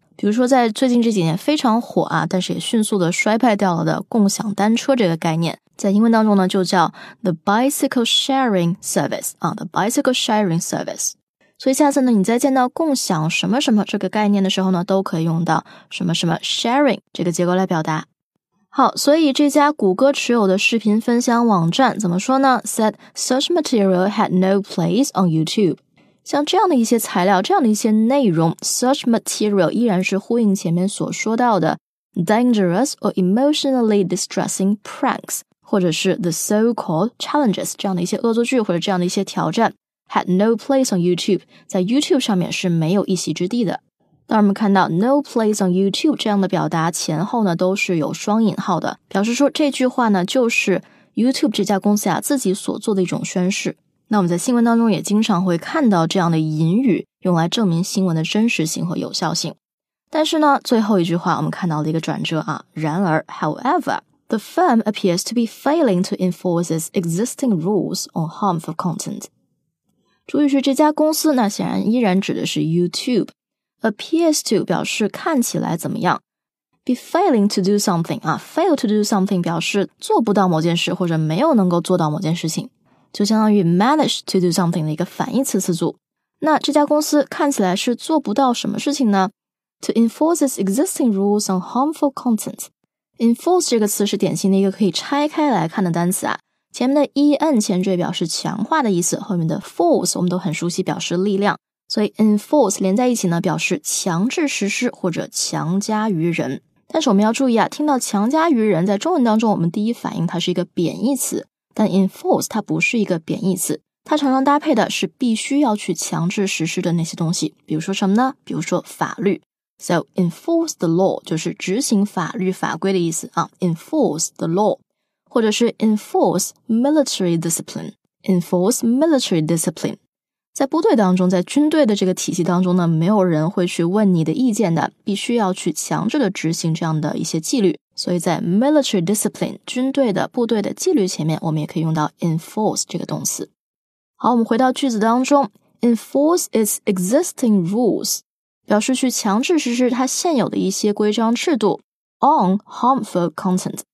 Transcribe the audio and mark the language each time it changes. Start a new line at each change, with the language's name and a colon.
Chinese: 比如说在最近这几年非常火啊，但是也迅速的衰败掉了的共享单车这个概念，在英文当中呢就叫
English: the bicycle sharing service,
Chinese: 啊 the bicycle sharing service。所以下次呢你再见到共享什么什么这个概念的时候呢，都可以用到什么什么 sharing 这个结构来表达。好，所以这家谷歌持有的视频分享网站怎么说呢？
English: said such material had no place on YouTube.
Chinese: 像这样的一些材料，这样的一些内容，
English: such material
Chinese: 依然是呼应前面所说到的
English: dangerous or emotionally distressing pranks,
Chinese: 或者是
English: the so-called challenges,
Chinese: 这样的一些恶作剧或者这样的一些挑战，
English: had no place on YouTube,
Chinese: 在 YouTube 上面是没有一席之地的。当我们看到
English: no place on YouTube
Chinese: 这样的表达前后呢都是有双引号的，表示说这句话呢就是 YouTube 这家公司啊自己所做的一种宣示。那我们在新闻当中也经常会看到这样的引语，用来证明新闻的真实性和有效性。但是呢最后一句话我们看到了一个转折啊，然而
English: however the firm appears to be failing to enforce its existing rules on harmful content。
Chinese: 主语是这家公司，那显然依然指的是 YouTube。
English: appears to
Chinese: 表示看起来怎么样，
English: be failing to do something
Chinese: 啊，
English: fail to do something
Chinese: 表示做不到某件事或者没有能够做到某件事情，就相当于
English: manage to do something
Chinese: 的一个反义词词组。那这家公司看起来是做不到什么事情呢？
English: to enforce its existing rules on harmful content。
Chinese: enforce 这个词是典型的一个可以拆开来看的单词啊，前面的 en 前缀表示强化的意思，后面的 force 我们都很熟悉，表示力量，所以 enforce 连在一起呢表示强制实施或者强加于人。但是我们要注意啊，听到强加于人在中文当中我们第一反应它是一个贬义词，但 enforce 它不是一个贬义词，它常常搭配的是必须要去强制实施的那些东西，比如说什么呢？比如说法律。
English: So enforce the law
Chinese: 就是执行法律法规的意思啊，
English: enforce the law,
Chinese: 或者是
English: enforce military discipline, enforce military discipline。
Chinese: 在部队当中，在军队的这个体系当中呢，没有人会去问你的意见的，必须要去强制的执行这样的一些纪律。所以在
English: military discipline
Chinese: 军队的部队的纪律前面，我们也可以用到 enforce 这个动词。好，我们回到句子当中，
English: enforce its existing rules
Chinese: 表示去强制实施它现有的一些规章制度
English: on harmful content。